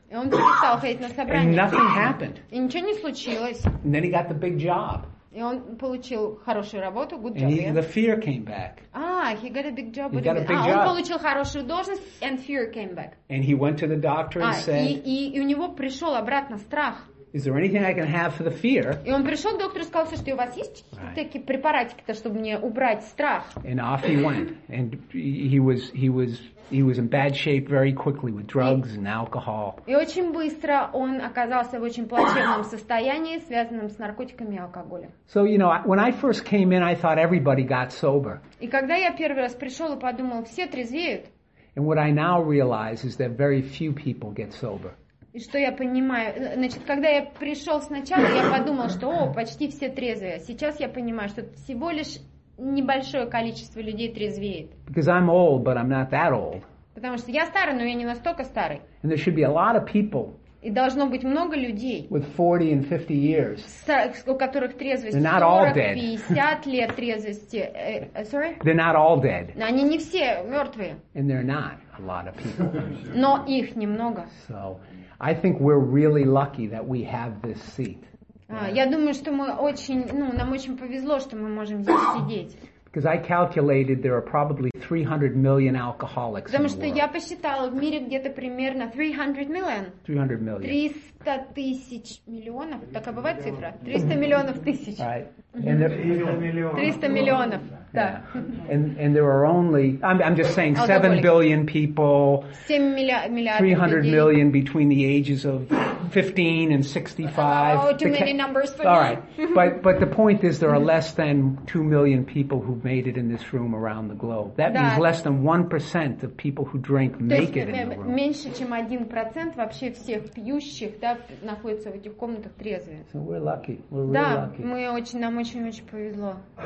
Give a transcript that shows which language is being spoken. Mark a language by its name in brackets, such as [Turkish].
[English] And nothing happened. [Russian] И ничего не случилось. [English] And then he got the big job. [Russian] И он получил хорошую работу, [English] good job. And the fear came back. He got a big job. He got a big job. [Russian] Он получил хорошую должность, [English] and fear came back. And he went to the doctor and said. [Russian] И у него пришел обратно страх. [English] Is there anything I can have for the fear? [Russian] И он пришел к доктору и сказал, что у вас есть какие-то препаратики-то, чтобы мне убрать страх. [English] And off he went, and he was in bad shape very quickly with drugs and alcohol. [Russian] И очень быстро он оказался в очень плачевном состоянии, связанном с наркотиками и алкоголем. [English] So you know, when I first came in, I thought everybody got sober. [Russian] И когда я первый раз пришел и подумал, все трезвеют. [English] And what I now realize is that very few people get sober. [Russian] И что я понимаю? Значит, когда я пришел сначала, я подумал, что, о, почти все трезвые. Сейчас я понимаю, что всего лишь небольшое количество людей трезвеет. [English] Because I'm old, but I'm not that old. [Russian] Потому что я старый, но я не настолько старый. [English] And there should be a lot of people. [Russian] И должно быть много людей. [English] With 40 and 50 years. [Russian] У которых трезвость 40-50 лет трезвости. [English] Sorry? They're not all dead. [Russian] Но они не все мертвые. [English] And they're not a lot of people. [Russian] Но их немного. [English] So. I think we're really lucky that we have this seat. [Russian] Я думаю, что мы очень, ну, нам очень повезло, что мы можем здесь сидеть. [English] Because I calculated there are probably 300 million alcoholics. [Russian] Потому что я посчитала, в мире где-то примерно 300 million. [English] 300 million. [Russian] 300 тысяч миллионов. Такая бывает цифра? 300 миллионов тысяч. [English] Right. And there, 300 million. And there are only, I'm just saying, 7 billion people, 300 million between the ages of 15 and 65. Oh, too many numbers for me. All right. But the point is there are less than 2 million people who've made it in this room around the globe. That means less than 1% of people who drink make it in the room. [Russian] Меньше, чем 1% вообще всех пьющих, да, находится в этих комнатах трезвые. [English] So we're lucky. We're really lucky. [Russian] Да, мы очень, нам очень-очень повезло.